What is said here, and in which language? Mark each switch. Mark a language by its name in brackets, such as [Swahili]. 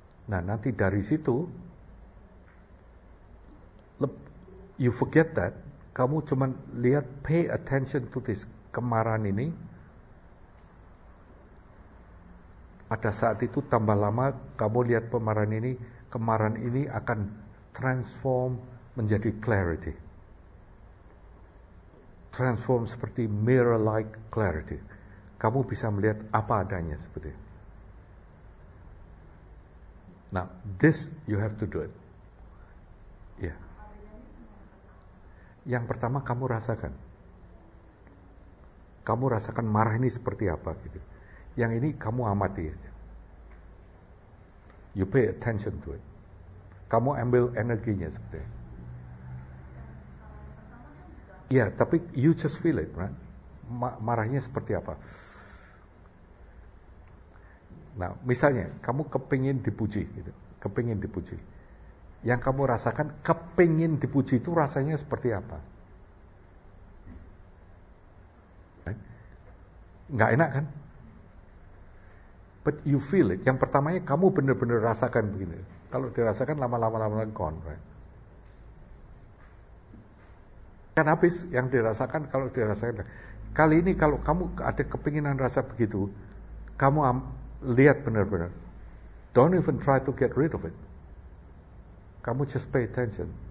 [Indonesian] Nah, nanti dari situ, [English] you forget that, [Indonesian] kamu cuma lihat, [English] pay attention to this, [Indonesian] kemarahan ini, pada saat itu tambah lama, kamu lihat kemarahan ini akan transform menjadi clarity. Transform seperti mirror-like clarity. Kamu bisa melihat apa adanya seperti ini. [English] Now, this you have to do it. Yeah. [Indonesian] Yang pertama kamu rasakan. Kamu rasakan marah ini seperti apa gitu. Yang ini kamu amati aja. [English] You pay attention to it. [Indonesian] Kamu ambil energinya seperti ini. Ya, tapi [English] you just feel it, right? [Indonesian] Marahnya seperti apa? Nah, misalnya kamu kepingin dipuji, gitu. Kepingin dipuji. Yang kamu rasakan kepingin dipuji itu rasanya seperti apa? Nggak enak kan? [English] But you feel it. [Indonesian] Yang pertamanya kamu benar-benar rasakan begini. Kalau dirasakan lama-lama [English] gone, right? [Indonesian] Kan habis yang dirasakan, kalau dirasakan kali ini kalau kamu ada kepinginan rasa begitu, kamu lihat benar-benar. [English] Don't even try to get rid of it. [Indonesian] Kamu [English] just pay attention.